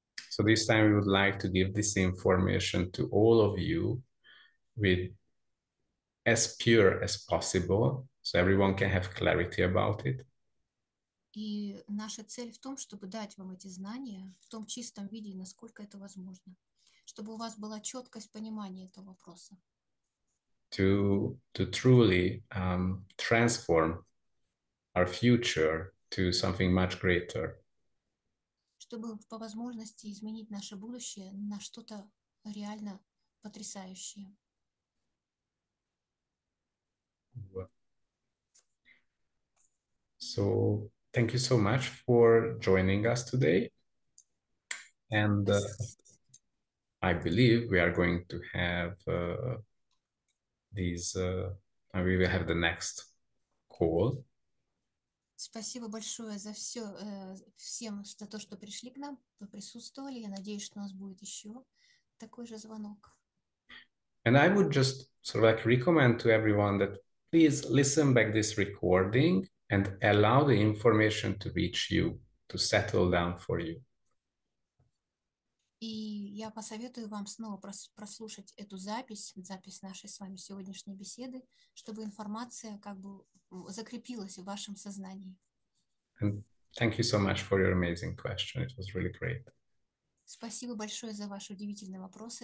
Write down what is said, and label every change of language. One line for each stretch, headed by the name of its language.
English: So this time we would like to give this information to all of you with as pure as possible, so everyone can have clarity about it.
Russian: И наша цель в том, чтобы дать вам эти знания в том чистом виде, насколько это возможно, чтобы у вас была четкость понимания этого вопроса.
English: To truly transform our future to something much greater.
Russian: Чтобы по возможности изменить наше будущее на что-то реально потрясающее.
English: So thank you so much for joining us today. And I believe we are going to have we will have the next call.
Russian: Спасибо большое за все, всем, за то, что пришли к нам, присутствовали. Я надеюсь, что у нас будет еще такой же звонок.
English: And I would just sort of like recommend to everyone that please listen back this recording and allow the information to reach you, to settle down for you.
Russian: И я посоветую вам снова прослушать эту запись, запись нашей с вами сегодняшней беседы, чтобы информация как бы закрепилась в вашем сознании.
English: And thank you so much for your amazing question. It was really great.
Russian: Спасибо большое за ваши удивительные вопросы.